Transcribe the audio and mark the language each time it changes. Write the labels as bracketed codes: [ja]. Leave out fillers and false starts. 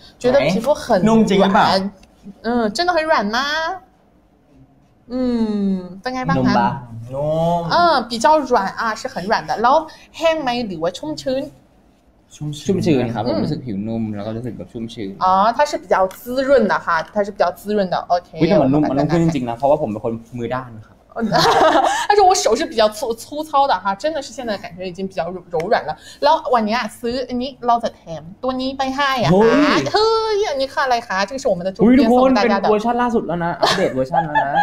[zh] 觉得皮肤很 [th] นุ่มจริงป่ะ [zh] 真的很软吗 [th] เป็นไงบ้างคะ นุ่ม [zh] 比较软啊是很软的 [th] แล้วแห้งไหมหรือว่าชุ่มชื้น ชุ่มชื้นครับรู้สึกผิวนุ่มแล้วก็รู้สึกแบบชุ่มชื้น [zh] อ๋อ它是比较滋润的哈它是比较滋润的 OK [th] วิ่งมันนุ่มมันนุ่มขึ้นจริงๆนะเพราะว่าผมเป็นคนมือด้านครับ [zh] 他说我手是比较粗糙的哈真的是现在感觉已经比较柔软了 [th] แล้ววันนี้อ่ะซื้อนี่เราจะแถมตัวนี้ไปให้อ่ะเฮ้ยอันนี้ค่ะอะไรคะ [zh] 这个是我们的周边送大家的 [th] เวอร์ชันล่าสุดแล้วนะอัปเดตเวอร์ชันแล้วนะ